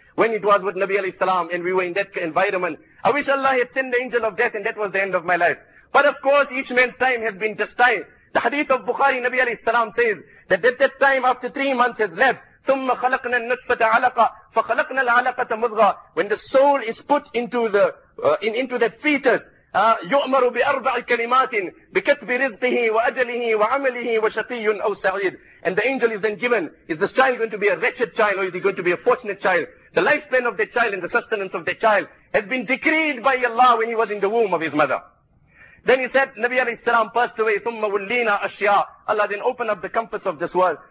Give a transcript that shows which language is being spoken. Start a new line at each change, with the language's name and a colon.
English: When it was with Nabi alayhi salam and we were in that environment. I wish Allah had sent the angel of death and that was the end of my life. But of course, each man's time has been destined. The hadith of Bukhari, Nabi alayhi salam says, that at that time after 3 months has left,
Arabic: ثُمَّ خَلَقْنَا النُّطْفَةَ عَلَقَةً فَخَلَقْنَا الْعَلَقَةَ مُضْغَةً.
English: When the soul is put into that fetus,
Arabic: يُؤْمَرُ بِأَرْبَعِ كَلِمَاتٍ بِكَتْبِ رِزْقِهِ وَأَجَلِهِ وَعَمَلِهِ وَشَقِيٌّ أَوْ سَعِيدٌ.
English: And the angel is then given, is this child going to be a wretched child or is he going to be a fortunate child? The lifespan of the child and the sustenance of the child has been decreed by Allah when he was in the womb of his mother. Then he said, Nabi alayhi salam passed away,
Arabic: ثُمَّ وُلِّينَا أَشْيَاءَ.
English: Allah then opened up the comforts of this world.